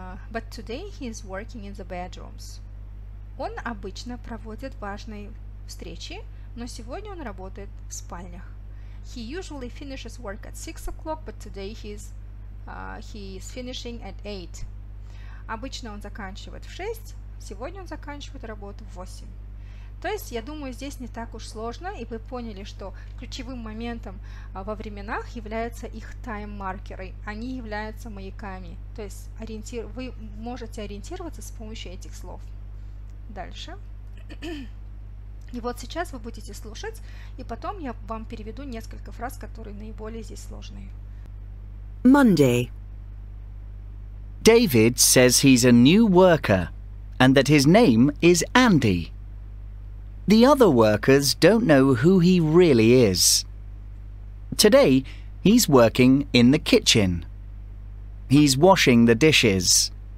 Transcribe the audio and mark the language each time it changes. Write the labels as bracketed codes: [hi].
[en] But today he is working in the bedrooms. [ru] Он обычно проводит важные встречи, но сегодня он работает в спальнях. [en] He usually finishes work at 6 o'clock, but today he is finishing at 8. [ru] Обычно он заканчивает в 6, сегодня он заканчивает работу в 8. То есть, я думаю, здесь не так уж сложно, и вы поняли, что ключевым моментом во временах являются их тайм-маркеры. Они являются маяками. То есть, вы можете ориентироваться с помощью этих слов. Дальше. И вот сейчас вы будете слушать, и потом я вам переведу несколько фраз, которые наиболее здесь сложные. [en] Monday. David says he's a new worker, and that his name is Andy. The other workers don't know who he really is. Today, he's working in the kitchen. He's washing the dishes.